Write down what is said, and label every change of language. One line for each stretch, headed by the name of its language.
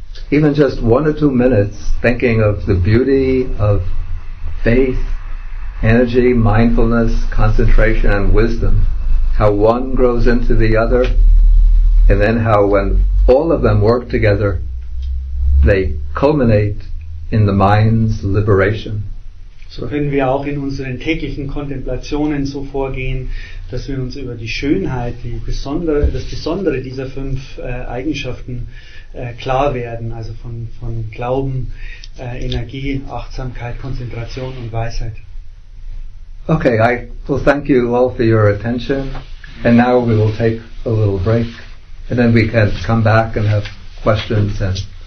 English: Even just 1 or 2 minutes thinking of the beauty of faith, energy, mindfulness, concentration and wisdom. How one grows into the other, and then how when all of them work together, they culminate in the mind's liberation.
German: So können wir auch in unseren täglichen Kontemplationen so vorgehen, dass wir uns über die Schönheit, das Besondere dieser 5 Eigenschaften klar werden, also von Glauben, Energie, Achtsamkeit, Konzentration und Weisheit.
English: Okay, I will thank you all for your attention, and now we will take a little break, and then we can come back and have questions and